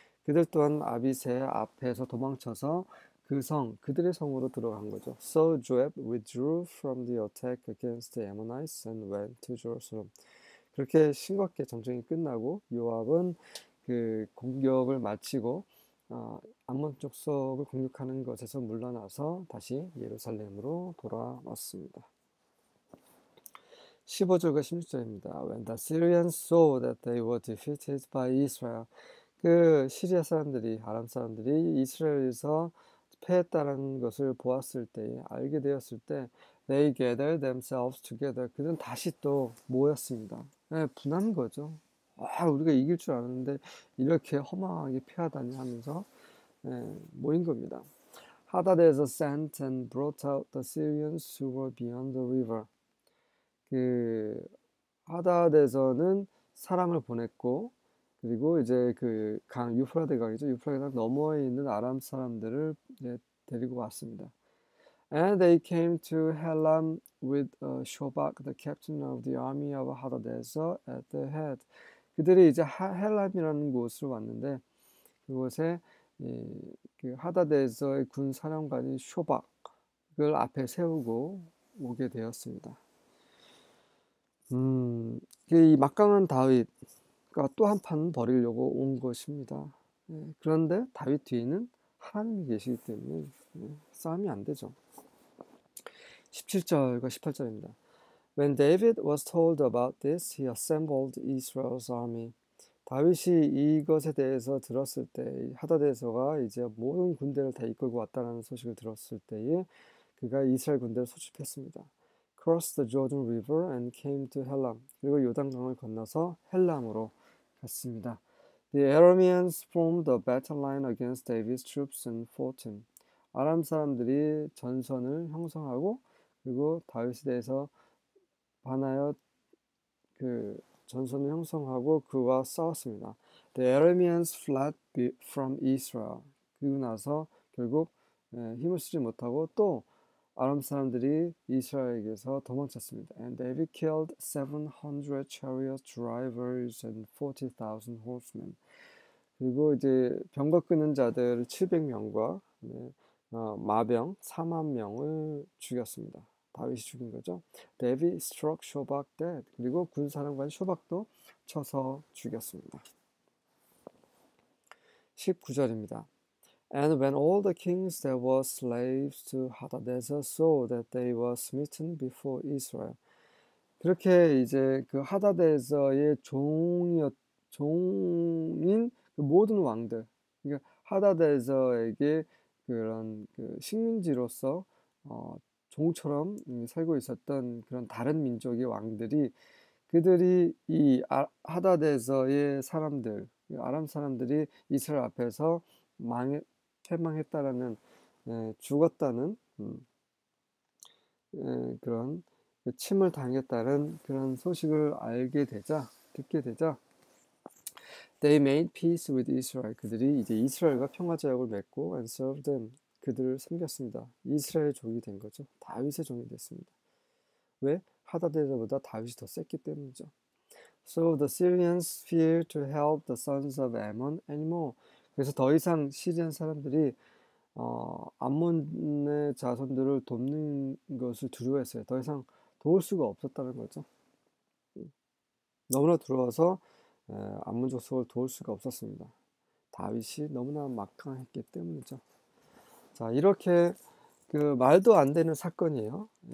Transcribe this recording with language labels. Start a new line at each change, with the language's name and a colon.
Korean: 그들 또한 아비새 앞에서 도망쳐서 그 성, 그들의 성으로 들어간 거죠.
English: So Joab withdrew from the attack against the Ammonites and went to Jerusalem.
Korean: 그렇게 싱겁게 전쟁이 끝나고 요압은 그 공격을 마치고 암몬 족속을 공격하는 것에서 물러나서 다시 예루살렘으로 돌아왔습니다. 15절과 16절입니다.
English: When the Syrians saw that they were defeated by Israel,
Korean: 그 시리아 사람들이 아람 사람들이 이스라엘에서 패했다는 것을 보았을 때, 알게 되었을 때,
English: they gathered themselves together.
Korean: 그들은 다시 또 모였습니다. 분한 거죠. 아, 우리가 이길 줄 알았는데 이렇게 허망하게 패하다니 하면서 모인 겁니다.
English: Hadad에서 sent and brought out the Syrians who were beyond the river.
Korean: 그 하닷에서는 사람을 보냈고 그리고 이제 그강 유프라데강이죠. 유프라데강 너머에 있는 아람 사람들을 이제 데리고 왔습니다.
English: And they came to Helam with Shobak, the captain of the army of Hadadezer, at the head.
Korean: 그들이 이제 헬람이라는 곳으로 왔는데 그곳에 그 하다데서의 군 사령관인 쇼박을 앞에 세우고 오게 되었습니다. 이 막강한 다윗과 또한판 벌이려고 온 것입니다. 그런데 다윗 뒤에는 하나님이 계시기 때문에 싸움이 안 되죠. 17절과 18절입니다.
English: When David was told about this, he assembled Israel's army.
Korean: 다윗이 이것에 대해서 들었을 때, 하다데서가 이제 모든 군대를 다 이끌고 왔다는 소식을 들었을 때에 그가 이스라엘 군대를 소집했습니다.
English: Crossed the Jordan River and came to Helam.
Korean: 그리고 요단강을 건너서 헬람으로 갔습니다.
English: The Arameans formed a battle line against David's troops and fought him.
Korean: 아람 사람들이 전선을 형성하고 그리고 다윗에 대해서 반하여 그 전선을 형성하고 그와 싸웠습니다.
English: The Arameans fled from Israel.
Korean: 그리고 나서 결국 힘을 쓰지 못하고 또 아람 사람들이 이스라엘에게서 도망쳤습니다.
English: And David killed 700 chariot drivers and 40,000 horsemen.
Korean: 그리고 이제 병거 끄는 자들 700명과 마병 4만 명을 죽였습니다. 다윗이 죽인 거죠.
English: David struck Shobak dead.
Korean: 그리고 군사령관 쇼박도 쳐서 죽였습니다. 19절입니다.
English: And when all the kings that were slaves to Hadadezer saw that they were smitten before Israel.
Korean: 그렇게 이제 그 하다데서의 종인 그 모든 왕들, 그러니까 하다데서에게 그런 그 식민지로서 종처럼 살고 있었던 그런 다른 민족의 왕들이 그들이 이 하다데서의 사람들, 아람 사람들이 이스라엘 앞에서 망해 패망했다라는 죽었다는 그런 침을 당했다는 그런 소식을 알게 되자 듣게 되자
English: They made peace with Israel.
Korean: 그들이 이제 이스라엘과 평화 조약을 맺고
English: and served them.
Korean: 그들을 섬겼습니다. 이스라엘 종이 된 거죠. 다윗의 종이 됐습니다. 왜? 하다데서보다 다윗이 더 셌기 때문이죠.
English: So the Syrians feared to help the sons of Ammon anymore.
Korean: 그래서 더 이상 시리안 사람들이 암몬의 자손들을 돕는 것을 두려워했어요. 더 이상 도울 수가 없었다는 거죠. 너무나 두려워서 암몬족 속을 도울 수가 없었습니다. 다윗이 너무나 막강했기 때문이죠. 자, 이렇게 그 말도 안 되는 사건이에요.